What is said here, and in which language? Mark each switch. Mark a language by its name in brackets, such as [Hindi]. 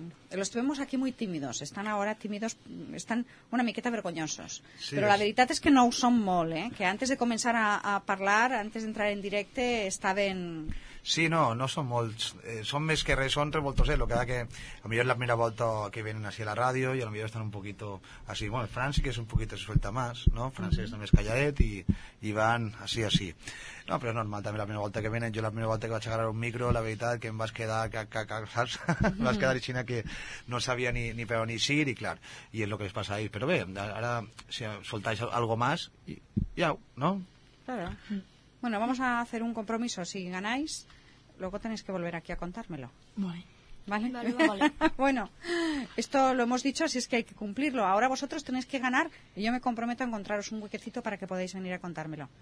[Spanish] Los tuvimos aquí muy tímidos, están ahora tímidos, están [Catalan] una miqueta vergonyosos, [Spanish] sí, [Catalan] pero la veritat és que no ho són molt, que antes de començar a parlar, antes d'entrar en directe, estaven... Sí, no són molt, són més que res, són revoltos, [Spanish] lo que da que a lo mejor la primera volta que vienen así a la ràdio i a lo mejor están un poquito así, bueno, el Fran sí que es un poquito se suelta más, ¿no? [Catalan] Francesc es més calladet i van así. No, però és normal, també la primera volta [Spanish] que vienen, [Catalan] jo la primera volta que vaig agarrar un micro, la veritat que em vas quedar, saps? Em vas quedar aixina que no sabia ni per on ir, i clar, i és lo que les passa a ells. Però bé, [Spanish] ara si soltáis algo más, ja, ¿no? Claro. Bueno, vamos a hacer un compromiso. Si ganáis, luego tenéis que volver aquí a contármelo. Vale. Bueno, esto lo hemos dicho, así es que hay que cumplirlo. Ahora vosotros tenéis que ganar y yo me comprometo a encontraros un huequecito para que podáis venir a contármelo.